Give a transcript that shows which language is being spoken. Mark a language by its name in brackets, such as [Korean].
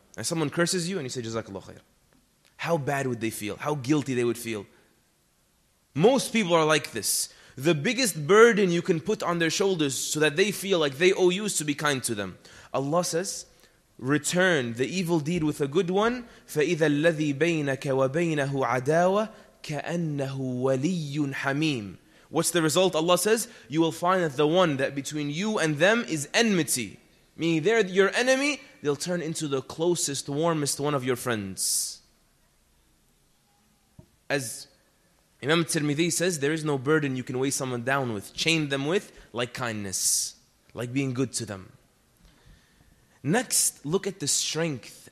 [English] And someone curses you and you say, Jazakallah khair. How bad would they feel? How guilty they would feel? Most people are like this. The biggest burden you can put on their shoulders so that they feel like they owe you is to be kind to them. Allah says, return the evil deed with a good one. [Arabic] فَإِذَا الَّذِي بَيْنَكَ وَبَيْنَهُ عَدَاوَةٌ كَأَنَّهُ وَلِيٌّ حَمِيمٌ [English] What's the result? Allah says, you will find that the one that between you and them is enmity. Meaning they're your enemy, they'll turn into the closest, warmest one of your friends. As Imam Tirmidhi says, there is no burden you can weigh someone down with, chain them with, like kindness, like being good to them. Next, look at the strength